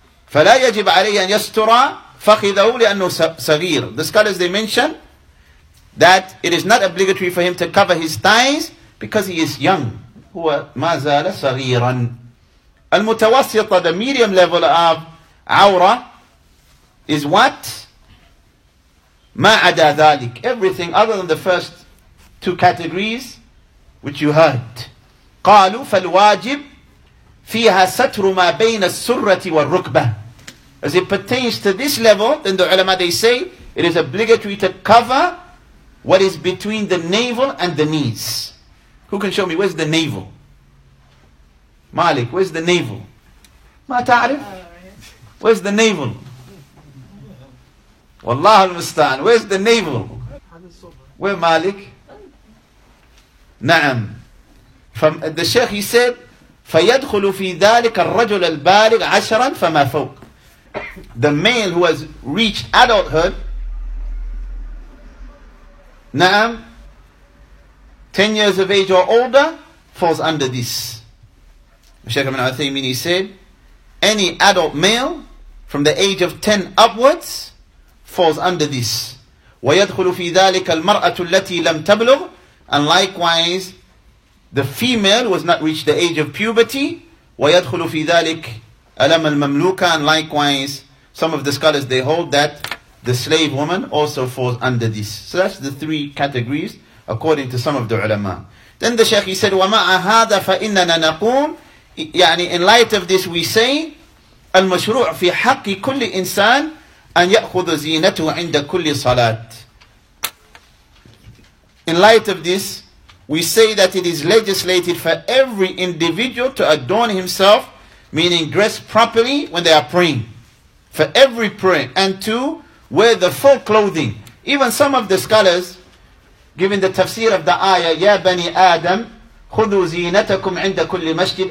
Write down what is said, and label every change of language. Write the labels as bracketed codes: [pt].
[ar] فلا يجب عليه أن يسترى فخذه لأنه صغير. [en] The scholars, they mention that it is not obligatory for him to cover his thighs because he is young. [ar] هو ما زال صغيرا. [en] المتوسطة, the medium level of awra, is what? [ar] ما عدا ذلك. [en] Everything other than the first two categories which you heard. [ar] قالوا فالواجب فيها ستر ما بين السرة والركبة. [en] As it pertains to this level, then the ulama they say it is obligatory to cover what is between the navel and the knees. Who can show me where's the navel? Malik, where's the navel? [ar] ما تعرف؟ [en] Where's the navel? [ar] والله المستعان. [en] Where's the navel? Where Malik? نعم. From the Sheikh he said, [ar] فيدخل في ذلك الرجل البالغ عشرا فما فوق. [en] The male who has reached adulthood. [ar] نعم. [en] 10 years of age or older falls under this. Sheikh Ibn Uthaymeen he said, any adult male from the age of 10 upwards falls under this. [ar] وَيَدْخُلُ فِي ذَٰلِكَ الْمَرْأَةُ الَّتِي لَمْ تَبْلُغْ. [en] And likewise, the female was not reached the age of puberty. [ar] وَيَدْخُلُ فِي ذَٰلِكَ أَلَمَ الْمَمْلُوكَ. [en] And likewise, some of the scholars, they hold that the slave woman also falls under this. So that's the three categories according to some of the ulama. Then the Shaykh, he said, [ar] وَمَعَ هَذَا فَإِنَّنَا نَقُومْ. يعني [en] in light of this, we say, [ar] المشروع في حق كل إنسان أن يأخذ زينته عند كل صلاة. [en] In light of this, we say that it is legislated for every individual to adorn himself, meaning dress properly when they are praying. For every prayer, and to wear the full clothing. Even some of the scholars, given the tafsir of the ayah, [ar] يا بني آدم خذوا زينتكم عند كل مسجد.